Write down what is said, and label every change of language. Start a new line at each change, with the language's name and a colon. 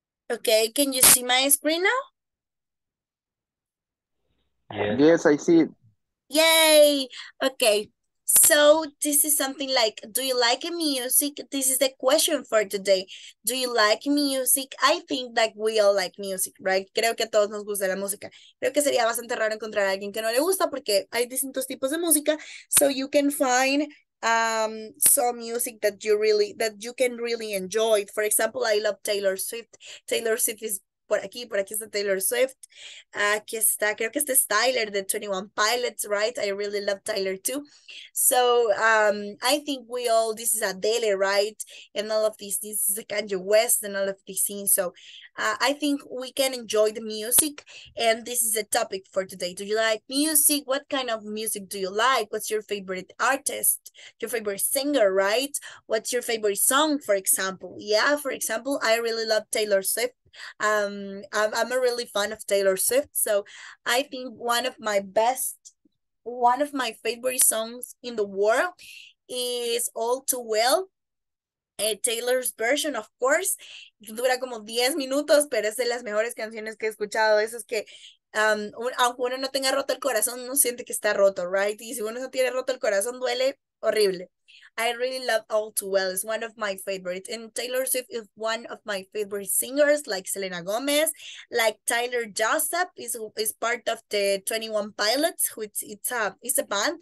English: Okay, can you see my screen now? Yes, I see it. Yay! Okay, so this is something like, do you like music? This is the question for today. Do you like music? I think that we all like music, right?
Spanish: Creo que a todos nos gusta la música. Creo que sería bastante raro encontrar a alguien que no le gusta porque hay distintos tipos de música.
English: So you can find some music that you can really enjoy. For example, I love Taylor Swift. Taylor Swift is
Spanish: por aquí está Taylor Swift, aquí está, creo que este es Tyler de 21 Pilots, right?
English: I really love Tyler too. So, I think we all, this is Adele, right? And all of these, this is Kanye West and all of these things. So, I think we can enjoy the music, and this is the topic for today. Do you like music? What kind of music do you like? What's your favorite artist? Your favorite singer, right? What's your favorite song, for example? Yeah, for example, I really love Taylor Swift. I'm a really fan of Taylor Swift, so I think one of my favorite songs in the world is All Too Well, Taylor's version, of course.
Spanish: Dura como 10 minutos, pero es de las mejores canciones que he escuchado. Eso es que aunque uno no tenga roto el corazón, uno siente que está roto, right? Y si uno no tiene roto el corazón, duele horrible.
English: I really love All Too Well. It's one of my favorites. And Taylor Swift is one of my favorite singers, like Selena Gomez, like Tyler Joseph is part of the 21 Pilots, which it's a band.